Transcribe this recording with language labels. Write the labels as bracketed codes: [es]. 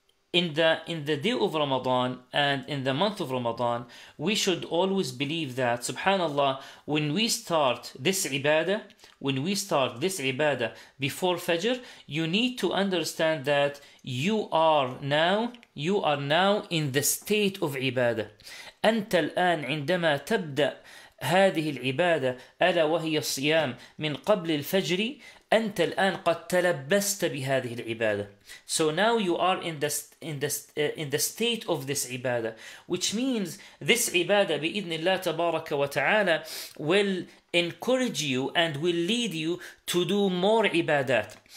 [en] In the day of Ramadan and in the month of Ramadan, we should always believe that, subhanallah, when we start this ibadah before Fajr, you need to understand that you are now in the state of ibadah. [ar] أنت الآن عندما تبدأ هذه العبادة ألا وهي الصيام من قبل الفجر أنت الآن قد تلبست بهذه العبادة. [en] So now you are in the state of this ibadah, which means this ibadah [ar] بإذن الله تبارك وتعالى [en] will encourage you and will lead you to do more ibadat.